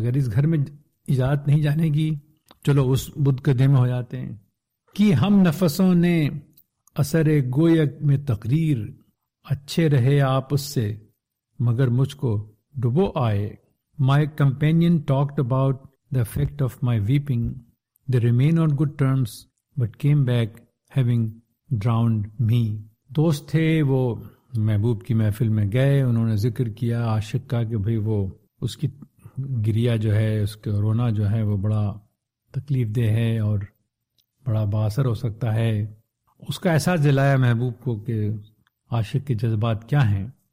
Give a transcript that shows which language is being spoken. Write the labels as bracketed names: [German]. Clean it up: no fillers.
[Urdu] اگر اس گھر میں اجازت نہیں جانے کی چلو اس بت گدھے میں ہو جاتے ہیں. کہ ہم نفسوں نے اثر گویک میں تقریر، اچھے رہے آپ اس سے مگر مجھ کو ڈبو آئے. [English] My companion talked about the effect of my weeping, they remain on good terms but came back having drowned me. [Urdu] دوست تھے وہ، محبوب کی محفل میں گئے، انہوں نے ذکر کیا عاشق کا کہ بھائی وہ اس کی گریا جو ہے، اس کا رونا جو ہے وہ بڑا تکلیف دہ ہے اور بڑا باثر ہو سکتا ہے. اس کا احساس دلایا محبوب کو کہ عاشق کے جذبات کیا ہیں.